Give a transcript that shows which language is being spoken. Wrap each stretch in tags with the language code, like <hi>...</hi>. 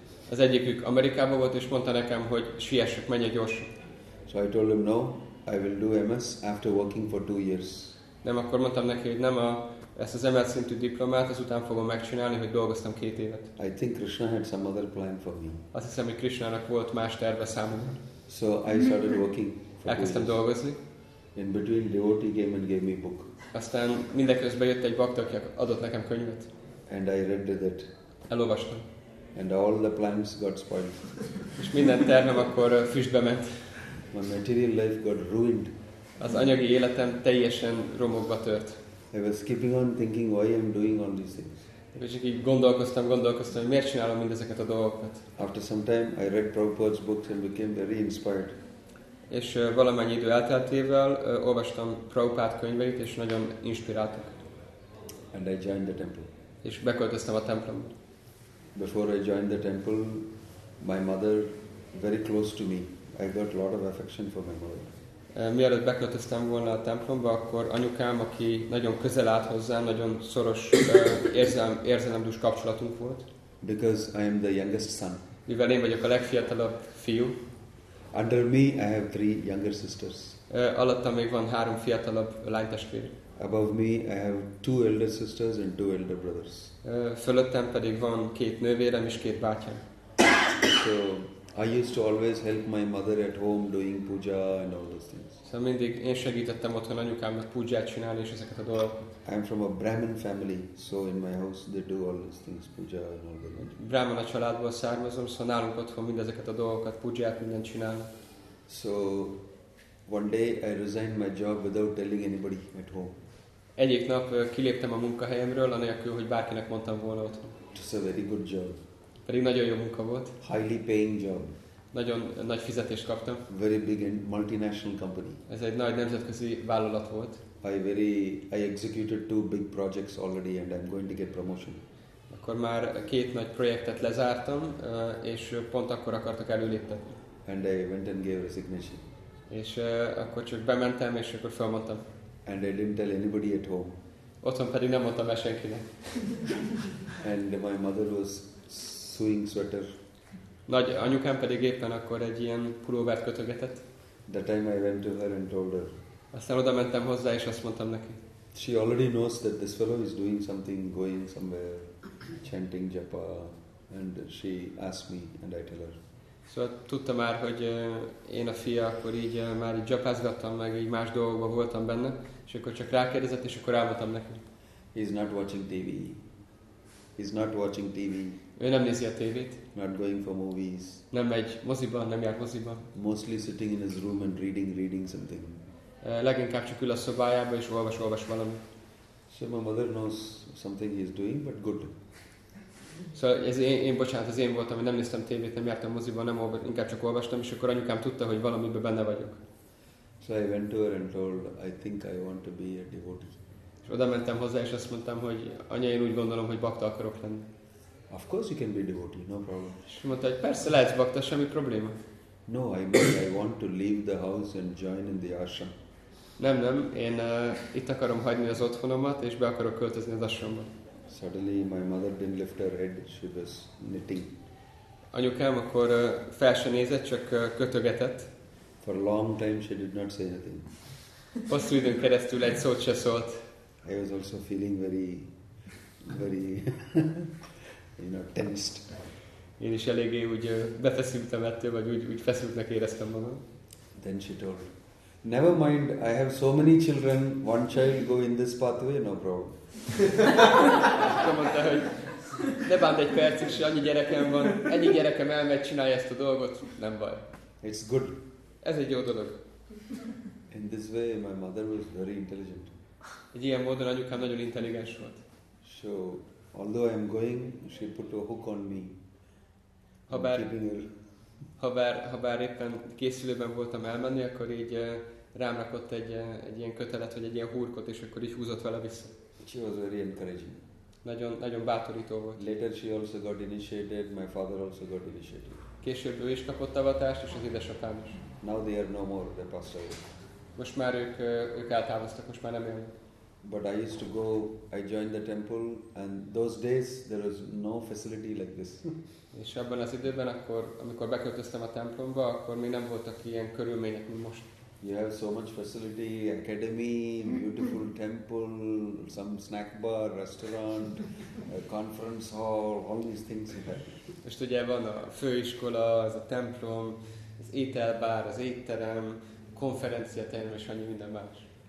<hu>Az egyikük Amerikában volt és mondta nekem, hogy siessek, menjek gyorsan.</hu> <en>So I told him no, I will do MS after working for 2 years.</en> <hu>Nem, akkor mondtam neki, hogy nem ezt az emelt szintű diplomát, azután fogom megcsinálni, hogy dolgoztam 2 évet.</hu> <en>I think Krishna had some other plan for me.</en> <hu>Azt hiszem, hogy Krishnának volt más terve számomra.</hu> <en>So I started working.</en> <hu>Elkezdtem dolgozni.</hu> <en>In between, devotee came and gave me book.</en> <hu>Aztán mindeközben jött egy bakta, aki adott nekem könyvet.</hu> <en>And I read it.</en> <hu>Elolvastam.</hu> <en>And all the plans got spoiled.</en> <hu>És minden tervem akkor füstbe ment.</hu> <en>My material life got ruined.</en> <hu>Az anyagi életem teljesen romokba tört.</hu> <en>I was keeping on thinking why I'm doing all these things.</en> <hu>És csak így gondolkoztam, hogy miért csinálom mindezeket a dolgokat.</hu> <en>After some time, I read Prabhupada's books and became very inspired.</en> <hu>És valamennyi idő elteltével olvastam Prabhupada könyveit, és nagyon inspiráltak.</hu> <en>And I joined the temple.</en> <hu>És beköltöztem a templomba.</hu> <en>Before I joined the temple, my mother very close to me. I got a lot of affection for my mother.</en> <hu>Mielőtt beköltöztem volna a templomba, akkor anyukám, aki nagyon közel állt hozzám, nagyon szoros érzelemdús kapcsolatunk volt.</hu> <en>Because I am the youngest son.</en> <hu>Mivel én vagyok a legfiatalabb fiú.</hu> <en>Under me I have 3 younger sisters.</en> <hu>Alattam még van 3 fiatalabb lánytestvér.</hu> <en>Above me I have 2 elder sisters and 2 elder brothers.</en> <hu>Fölöttem pedig van 2 nővérem és 2 bátyám.</hu> <en>So I used to always help my mother at home doing puja and all those things.</en> <hu>Szóval mindig én segítettem otthon anyukámnak pujját csinálni és ezeket a dolgokat.</hu> <en>I'm from a Brahmin family, so in my house they do all those things, puja and all those things.</en> <hu>Brahmana családból származom, szóval nálunk otthon mindezeket a dolgokat, pujját mindent csinálnak.</hu> <en>So one day I resigned my job without telling anybody at home.</en> <hu>Egyik nap kiléptem a munkahelyemről, anélkül, hogy bárkinek mondtam volna otthon.</hu> <en>It was a very good job.</en> <hu>Pedig nagyon jó munka volt.</hu> <en>Highly paying job.</en> <hu>Nagyon nagy fizetést kaptam.</hu> <en>Very big and multinational company.</en> <hu>Ez egy nagy nemzetközi vállalat volt.</hu> <en>I executed 2 big projects already and I'm going to get promotion.</en> <hu>Akkor már 2 nagy projektet lezártam, és pont akkor akartak előléptetni.</hu> <en>And I went and gave resignation.</en> <hu>És akkor csak bementem, és akkor felmondtam.</hu> <en>And I didn't tell anybody at home.</en> <hu>Otthon pedig nem mondtam el senkinek.</hu> <en>And my mother was sewing sweater.</en> <hu>Nagy anyukám pedig éppen akkor egy ilyen pulóvert kötögetett.</hu> <en>The time I went to her and told her.</en> <hu>Aztán oda mentem hozzá és azt mondtam neki.</hu> <en>She already knows that this fellow is doing something, going somewhere, chanting japa, and she asked me and I tell her.</en> <hu>Szóval tudta már, hogy én a fia, akkor így már így gyapázgattam, meg így más dolgokban voltam benne, és akkor csak rákérdezett, és akkor elmondtam neki.</hu> <en>He's not watching TV. He's not watching TV.</en> <hu>Ő nem nézi a tévét.</hu> <en>Not going for movies.</en> <hu>Nem megy moziban, nem jár moziban.</hu> <en>Mostly sitting in his room and reading something.</en> <hu>Leginkább csak ül a szobájába, és olvas valamit.</hu> <en>So my mother knows something he is doing, but good.</en> <hu>Szóval ez én bocsánat, az én voltam, hogy nem néztem tévét, nem jártam moziban, nem inkább csak olvastam, és akkor anyukám tudta, hogy valamiben benne vagyok.</hu> <en>So I went to her and told, I think I want to be a devotee.</en> <hu>És oda mentem hozzá, és azt mondtam, hogy anya, én úgy gondolom, hogy bakta akarok lenni.</hu> <en>Of course you can be a devotee, no problem.</en> <hu>És mondta, hogy persze lehetsz bakta, semmi probléma.</hu> <en>No, I mean I want to leave the house and join in the ashram.</en> <hu>Nem, én itt akarom hagyni az otthonomat, és be akarok költözni az ashramba.</hu> <en>Suddenly my mother didn't lift her head, she was knitting.</en> <hu>Anyukám akkor fel se nézett, csak kötögetett.</hu> <en>For a long time she did not say anything.</en> <hu>Hosszú időn keresztül egy szót se szólt.</hu> <en>I was also feeling very, very, you know, tensed.</en> <hu>Én is eléggé úgy befeszültem ettől, vagy úgy feszültnek éreztem magam.</hu> <en>Then she told, never mind, I have so many children, one child go in this pathway, no problem.</en> <hu>Akkor mondta, hogy ne bánd egy percig, se annyi gyerekem van, ennyi gyerekem elmegy, csinálja ezt a dolgot, nem baj.</hu> <en>It's good.</en> <hu>Ez egy jó dolog.</hu> <en>In this way my mother was very intelligent.</en> <hu>Egy ilyen módon anyukám nagyon intelligens volt.</hu> <en>So, although I'm going, she put a hook on me.</en> <hu>Habár éppen készülőben voltam elmenni, akkor így rám rakott egy ilyen kötelet, vagy egy ilyen húrkot, és akkor így húzott vele vissza.</hu> <en>She was very encouraging.</en> <hu>Nagyon, nagyon bátorító volt.</hu> <en>Later she also got initiated, my father also got initiated.</en> <hu>Később ő is kapott avatást, és az édesapám is.</hu> <en>Now they are no more, they passed away.</en> <hu>Most már ők eltávoztak, most már nem élnek.</hu> <en>But I used to go, I joined the temple, and those days there was no facility like this.</en> <hu>És abban az időben, akkor, amikor beköltöztem a templomba, akkor még nem voltak ilyen körülmények, mint most.</hu> <en>You have so much facility, academy, beautiful temple, some snack bar, restaurant, conference hall, all these things you have.</en> <hu>Most ugye van a főiskola, az a templom, az ételbár, az étterem, konferenciaterem és annyi minden más.</hu>